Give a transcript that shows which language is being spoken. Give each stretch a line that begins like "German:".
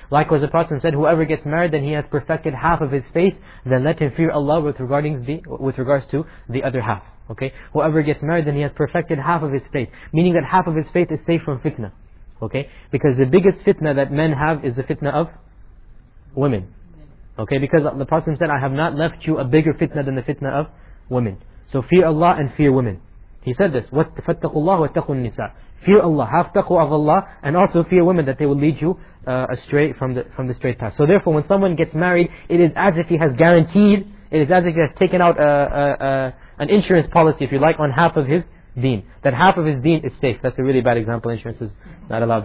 English: Likewise, the Prophet said, whoever gets married, then he has perfected half of his faith, then let him fear Allah with regards to the other half, okay? Whoever gets married, then he has perfected half of his faith, meaning that half of his faith is safe from fitna. Okay, because the biggest fitna that men have is the fitna of women. Okay, because the Prophet said, I have not left you a bigger fitna than the fitna of women. So fear Allah and fear women. He said this,
Arabic: فَاتَّقُوا اللَّهُ وَاتَّقُوا النِّسَاءَ.
English: Fear Allah, have taqwa of Allah, and also fear women, that they will lead you astray from the straight path. So therefore, when someone gets married, it is as if he has guaranteed, it is as if he has taken out an insurance policy, if you like, on half of his deen. That half of his deen is safe. That's a really bad example. Insurance is not allowed.